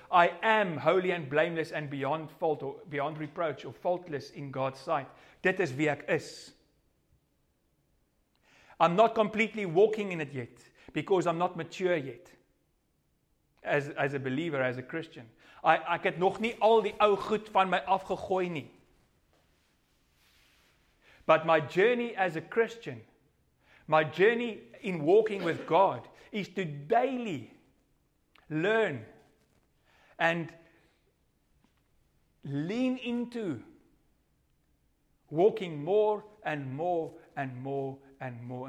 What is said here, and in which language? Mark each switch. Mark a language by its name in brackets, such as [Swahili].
[English] I am holy and blameless and beyond fault or beyond reproach or faultless in God's sight. [Afrikaans] Dit is wie ek is. [English] I'm not completely walking in it yet because I'm not mature yet as a believer, as a Christian. [Afrikaans] Ek het nog nie al die ou goed van my afgegooi nie. [English] But my journey as a Christian, my journey in walking with God is to daily learn and lean into walking more and more and more and more.